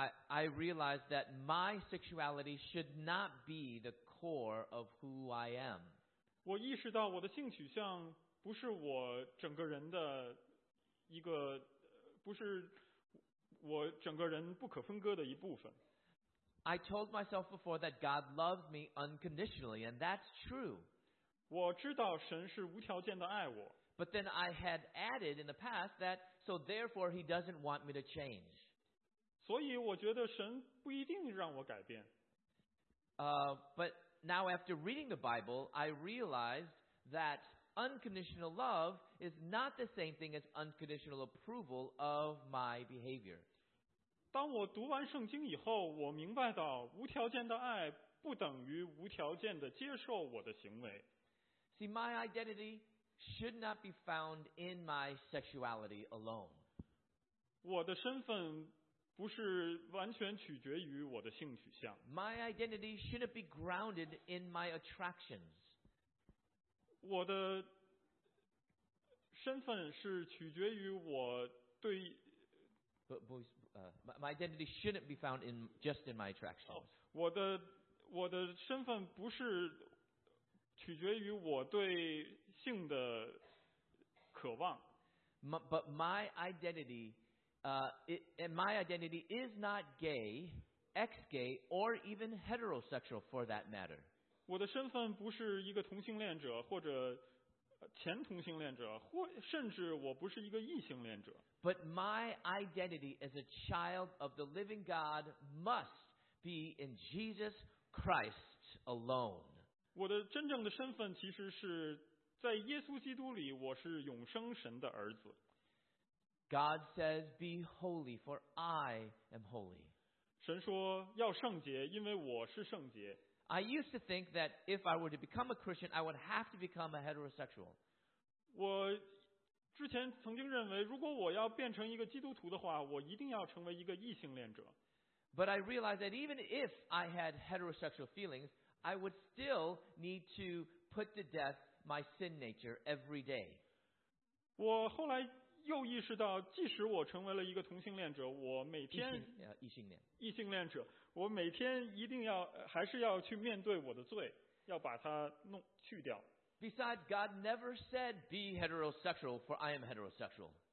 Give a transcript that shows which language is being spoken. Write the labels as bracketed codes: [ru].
[en] I realized that my sexuality should not be the core of who I am. [zh] 我意识到我的性取向不是我整个人的一个，不是我整个人不可分割的一部分。 [en] I told myself before that God loved me unconditionally, and that's true. [zh] 我知道神是无条件的爱我。 [en] But then I had added in the past that, so therefore he doesn't want me to change. [zh] 所以我觉得神不一定让我改变。 [en] But now after reading the Bible, I realized that unconditional love is not the same thing as unconditional approval of my behavior. [zh] 当我读完圣经以后，我明白到无条件的爱不等于无条件的接受我的行为。 [en] See, my identity should not be found in my sexuality alone. [zh] 我的身份不是完全取决于我的性取向。 [en] My identity shouldn't be grounded in my attractions. [zh] 我的身份是取决于我对。 [en] But boys, my identity shouldn't be found in just in my attractions. [zh] 我的身份不是取决于我对性的渴望。 [en] But my identity, and my identity is not gay, ex-gay, or even heterosexual for that matter. [zh] 我的身份不是一个同性恋者或者前同性恋者，或甚至我不是一个异性恋者。 [en] But my identity as a child of the living God must be in Jesus Christ alone. [zh] 我的真正的身份其实是在耶稣基督里，我是永生神的儿子。 [en] God says, "Be holy, for I am holy." [zh] 神说要圣洁，因为我是圣洁。 [en] I used to think that if I were to become a Christian, I would have to become a heterosexual. [zh] 我之前曾经认为，如果我要变成一个基督徒的话，我一定要成为一个异性恋者。 [en] But I realized that even if I had heterosexual feelings, I would still need to put to death my sin nature every day. [zh] 我后来又意识到，即使我成为了一个同性恋者，我每天异性恋者。我每天一定要还是要去面对我的罪，要把它弄去掉。 [en] Besides, God never said, "Be heterosexual, for I am heterosexual."